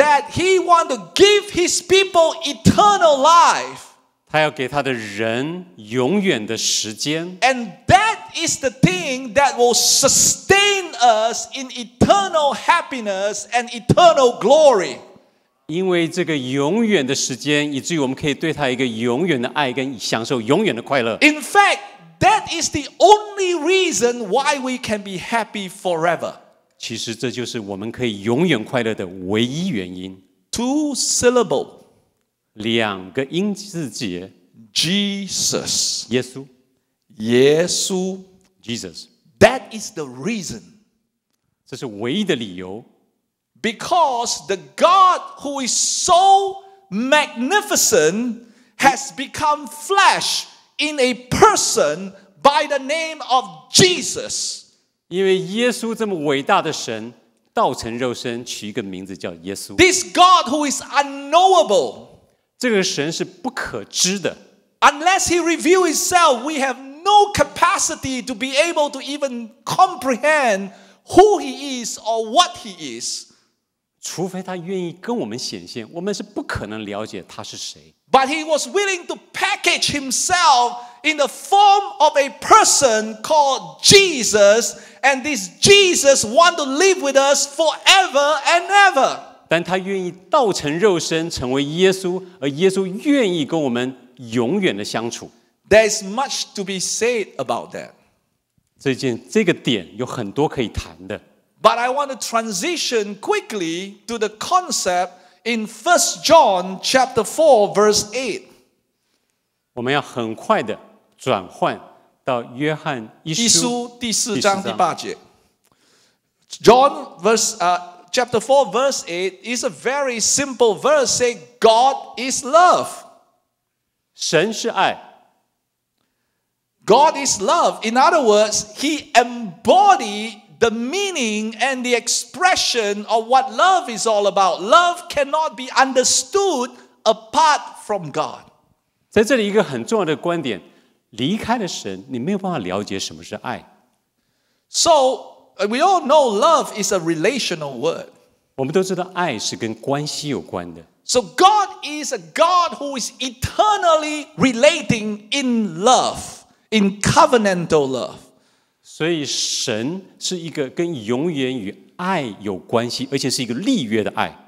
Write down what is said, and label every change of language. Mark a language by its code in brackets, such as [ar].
[en] that he wants to give his people eternal life. [zh] 他要给他的人永远的时间, [en] and that is the thing that will sustain us in eternal happiness and eternal glory. [zh] 因为这个永远的时间以至于我们可以对他一个永远的爱跟享受永远的快乐。 [en] In fact,That is the only reason why we can be happy forever. [zh] 其实这就是我们可以永远快乐的唯一原因。 [en] Two syllable. [zh] 两个音字节。 [en] Jesus. [zh] 耶稣。耶稣。 [en] Jesus. That is the reason. [zh] 这是唯一的理由。 [en] Because the God who is so magnificent has become flesh. In a person by the name of Jesus. [zh] 因为耶稣这么伟大的神，道成肉身，取一个名字叫耶稣。 [en] This God who is unknowable. [zh] 这个神是不可知的。 [en] Unless he reveals himself, we have no capacity to be able to even comprehend who he is or what he is. [zh] 除非他愿意跟我们显现，我们是不可能了解他是谁。 [en] But he was willing to package himself in the form of a person called Jesus, and this Jesus wants to live with us forever and ever. [zh] 但他愿意道成肉身成为耶稣，而耶稣愿意跟我们永远的相处。 [en] There is much to be said about that. [zh] 这个点有很多可以谈的。 [en] But I want to transition quickly to the concept. In 1 John chapter 4, verse 8, [zh] 我们要很快的转换到约翰一书第四章第八节。 [en] John chapter 4, verse 8 is a very simple verse. Say, God is love. [zh] 神是爱。 [en] God is love. In other words, he embodied. The meaning and the expression of what love is all about. Love cannot be understood apart from God. [zh] 在这里一个很重要的观点，离开了神，你没有办法了解什么是爱。 [en] So, we all know love is a relational word. [zh] 我们都知道爱是跟关系有关的。 [en] So, God is a God who is eternally relating in love, in covenantal love. [zh] 所以神是一个跟永远与爱有关系，而且是一个立约的爱。